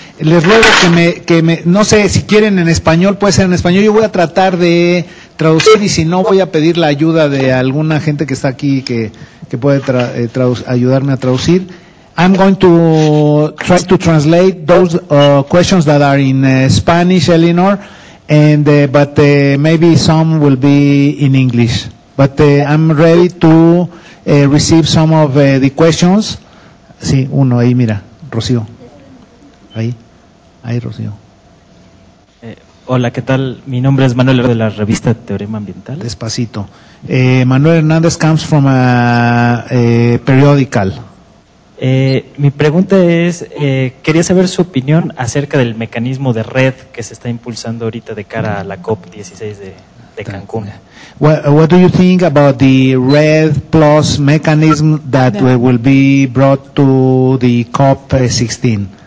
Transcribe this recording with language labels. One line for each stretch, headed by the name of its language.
Spanish: Les ruego que me, no sé, si quieren en español, puede ser en español. Yo voy a tratar de traducir y si no, voy a pedir la ayuda de alguna gente que está aquí que puede ayudarme a traducir.
English: I'm going to try to translate those questions that are in Spanish, Elinor, and but maybe some will be in English. But I'm ready to receive some of the questions.
Spanish: Sí, uno, ahí mira, Rocío. Ahí. Ahí, Rocío. Hola, ¿qué tal? Mi nombre es Manuel de la revista Teorema Ambiental. Despacito.
English: Manuel Hernández comes from a periodical.
Spanish: Mi pregunta es, quería saber su opinión acerca del mecanismo de red que se está impulsando ahorita de cara a la COP16 de Cancún.
English: What do you think about the red plus mechanism that will be brought to the COP16?